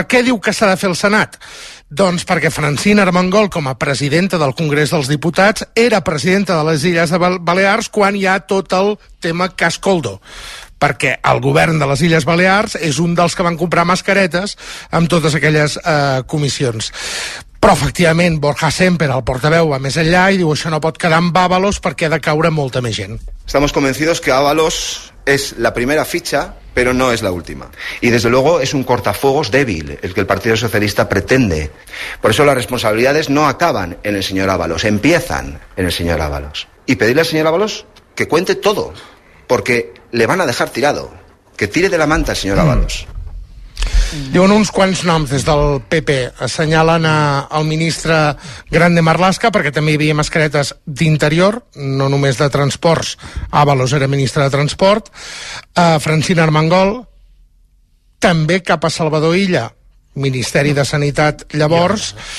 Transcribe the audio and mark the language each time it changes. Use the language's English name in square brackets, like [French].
[Catalan] Per què diu que s'ha de fer el Senat? Doncs perquè Francina Armengol, com a presidenta del Congrés dels Diputats, era presidenta de les Illes de Balears quan hi ha tot el tema cas Coldo. Perquè el govern de les Illes Balears és un dels que van comprar mascaretes amb totes aquelles comissions. Però, efectivament, Borja Sémper, el portaveu, va més enllà i diu això no pot quedar amb Ábalos perquè ha de caure molta més gent. [Spanish] Estamos convencidos que Ábalos es la primera ficha, pero no es la última. Y desde luego es un cortafuegos débil el que el Partido Socialista pretende. Por eso las responsabilidades no acaban en el señor Ábalos, empiezan en el señor Ábalos. Y pedirle al señor Ábalos que cuente todo, porque le van a dejar tirado. Que tire de la manta el señor Ábalos. [Catalan] Diuen uns quants noms des del PP. Assenyalen al ministre Grande Marlaska, perquè també hi havia mascaretes d'interior, no només de transports. Ábalos era ministre de transport. Francina Armengol, també cap a Salvador Illa, Ministeri de Sanitat llavors.